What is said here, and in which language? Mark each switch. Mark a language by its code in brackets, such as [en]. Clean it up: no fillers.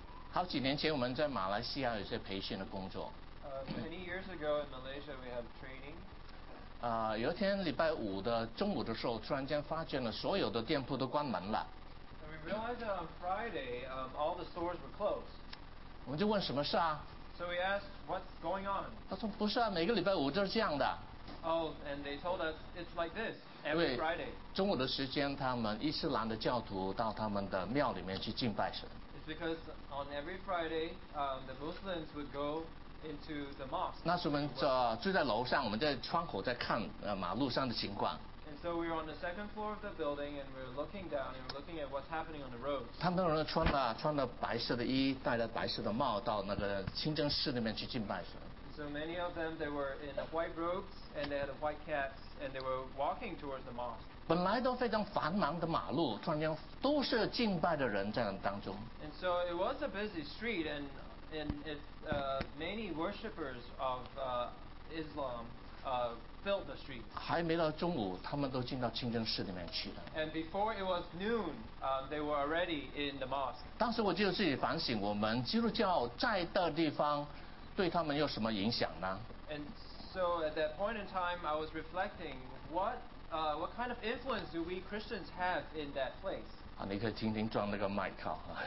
[zh] 好几年前我们在马来西亚有些培训的工作。 [en] Many years ago in Malaysia we have training. [zh] 有一天礼拜五的中午的时候，突然间发现了所有的店铺都关门了。 [en] And we realized that on Friday, all the stores were closed. [zh] 我们就问什么事啊？ [en] So we asked what's going on. [zh] 他说不是啊，每个礼拜五都是这样的。 [en] Oh, and they told us it's like this every Friday. [zh] 中午的时间，他们伊斯兰的教徒到他们的庙里面去敬拜神。 [en] It's because on every Friday, the Muslims would go into the mosque. [zh] 那时候我们住在楼上，我们在窗口在看马路上的情况。 [en] And so we were on the second floor of the building, and we were looking down, and we were looking at what's happening on the roads. [zh] 他们都穿了白色的衣，戴了白色的帽，到那个清真寺里面去敬拜神。 [en] So many of them, they were in white robes, and they had white caps, and they were walking towards the mosque. [zh] 本来都非常繁忙的马路，突然间都是敬拜的人在当中。 [en] And so it was a busy street, and it, many worshippers of Islam. Filled the streets. [zh] 还没到中午，他们都进到清真寺里面去了。 [en] And before it was noon, they were already in the mosque. [zh] 当时我就自己反省，我们基督教在的地方，对他们有什么影响呢 [en] ？And so at that point in time, I was reflecting what kind of influence do we Christians have in that place? [zh] 啊，你可以轻轻撞那个麦克。